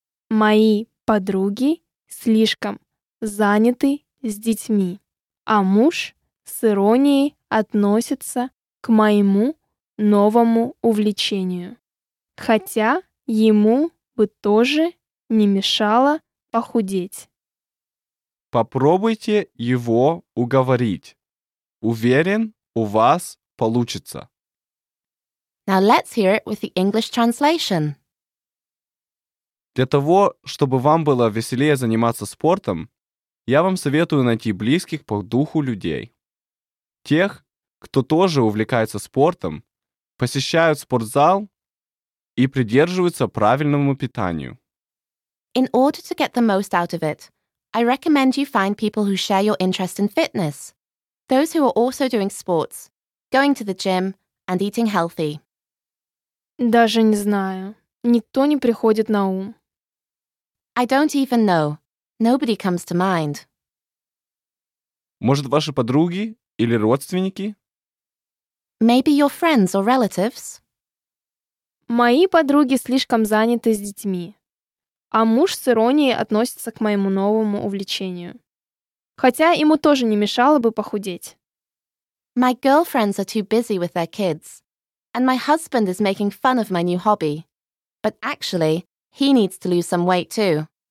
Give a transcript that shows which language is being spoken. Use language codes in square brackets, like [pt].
[ru] Мои подруги слишком заняты с детьми, а муж с иронией относится к моему новому увлечению. Хотя ему бы тоже не мешало похудеть. Попробуйте его уговорить. Уверен, у вас получится. [en] Now let's hear it with the English translation. [ru] Для того, чтобы вам было веселее заниматься спортом, я вам советую найти близких по духу людей. Тех, кто тоже увлекается спортом, посещают спортзал и придерживаются правильному питанию. [en] In order to get the most out of it, I recommend you find people who share your interest in fitness. Those who are also doing sports, going to the gym and eating healthy. [ru] Даже не знаю. Никто не приходит на ум. [en] I don't even know. Nobody comes to mind. [ru] Может, ваши подруги или родственники? [en] Maybe your friends or relatives. [ru] Мои подруги слишком заняты с детьми, а муж с иронией относится к моему новому увлечению. Хотя ему тоже не мешало бы похудеть. [en] My girlfriends are too busy with their kids, and my husband is making fun of my new hobby. But actually, he needs to lose some weight too.